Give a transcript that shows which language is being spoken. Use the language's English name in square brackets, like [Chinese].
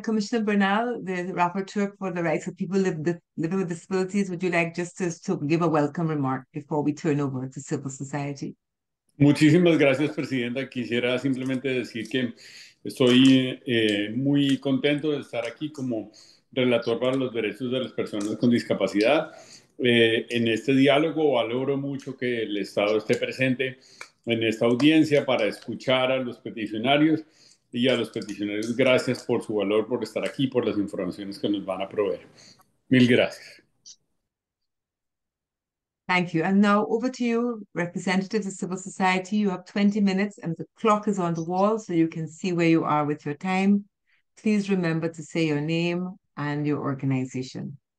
[English] Commissioner Bernal, the Rapporteur for the Rights of People Living with Disabilities, would you like just to give a welcome remark before we turn over to civil society? [Spanish] Muchísimas gracias, Presidenta. Quisiera simplemente decir que estoy muy contento de estar aquí como relator para los derechos de las personas con discapacidad. En este diálogo valoro mucho que el Estado esté presente en esta audiencia para escuchar a los peticionarios y a los peticionarios. Gracias por su valor, por estar aquí, por las informaciones que nos van a proveer. Mil gracias. [English] Thank you. And now over to you, representatives of civil society. You have 20 minutes and the clock is on the wall so you can see where you are with your time. Please remember to say your name and your organization.